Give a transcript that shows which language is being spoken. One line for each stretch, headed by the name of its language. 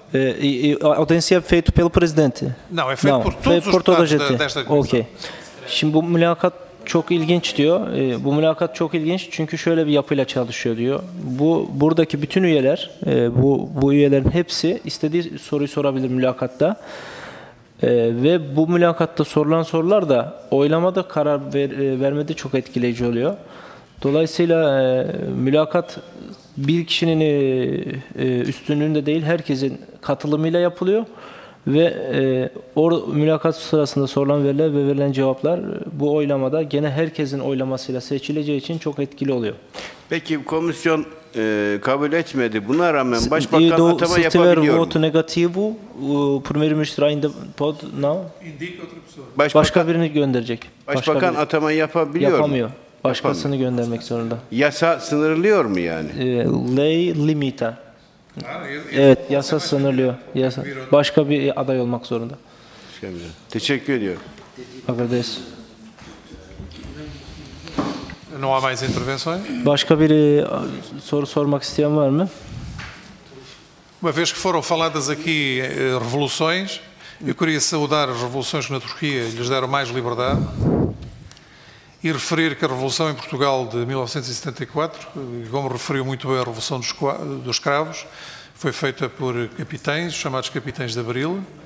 Portuguese: E a audiência é feita pelo presidente? Não, é feita por todos os deputados desta comissão. Ok.
Turkish: Şimdi bu mülakat çok ilginç diyor. Bu mülakat çok ilginç çünkü şöyle bir yapıyla çalışıyor diyor. Buradaki bütün üyeler, bu üyelerin hepsi istediği soruyu sorabilir mülakatta. Ve bu mülakatta sorulan sorular da oylamada karar vermede çok etkileyici oluyor. Dolayısıyla mülakat bir kişinin üstünlüğünde değil, herkesin katılımıyla yapılıyor. Ve mülakat sırasında sorulan veriler ve verilen cevaplar bu oylamada gene herkesin oylamasıyla seçileceği için çok etkili oluyor. Peki komisyon kabul etmedi. Buna rağmen başbakan atama yapabiliyor mu?
Portuguese: Voto negativo, primeiro-ministro ainda pode não.
Turkish: Başka birini gönderecek. Başbakan atama yapabiliyor mu? Yapamıyor. Başkasını göndermek zorunda. Yasa sınırlıyor mu yani?
Portuguese: Lei limita.
Turkish: Evet, yasa sınırlıyor. Yasa. Başka bir aday olmak zorunda. Teşekkür ediyorum.
Portuguese: Agradeço. Não há mais intervenções?
Turkish: Başka biri soru sormak isteyen var mı?
Portuguese: Uma vez que foram faladas aqui revoluções, eu queria saudar as revoluções que na Turquia lhes deram mais liberdade e referir que a revolução em Portugal de 1974, como referiu muito bem a revolução dos escravos, foi feita por capitães, chamados capitães de abril.